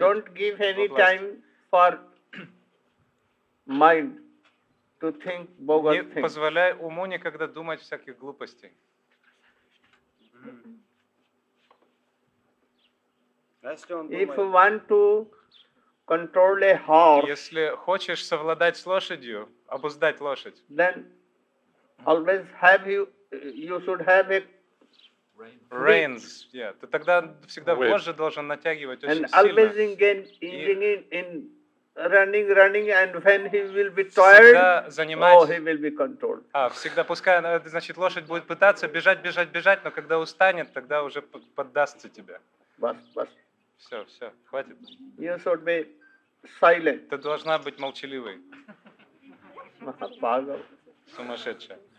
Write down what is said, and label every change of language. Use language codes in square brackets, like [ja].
[en] Don't give any time for mind to think bogus things. [ru] Не позволяй уму никогда думать всяких глупостей. [en] If you want to control a horse. [ru] Если хочешь совладать с лошадью, обуздать лошадь. [en] Then always have you should have a Reins. Yeah. [ru] То тогда всегда вожжи должен натягивать очень [en] and [ru] сильно. [en] And always in running, and when he will be tired, he will be controlled. [ru] А всегда пускай, значит, лошадь будет пытаться бежать, но когда устанет, тогда уже поддастся тебе. [hi] Бас. [ru] Все, хватит. [en] You should be silent. [ru] Ты должна быть молчаливой. [hi] Пагал. [ru] Сумасшедшая.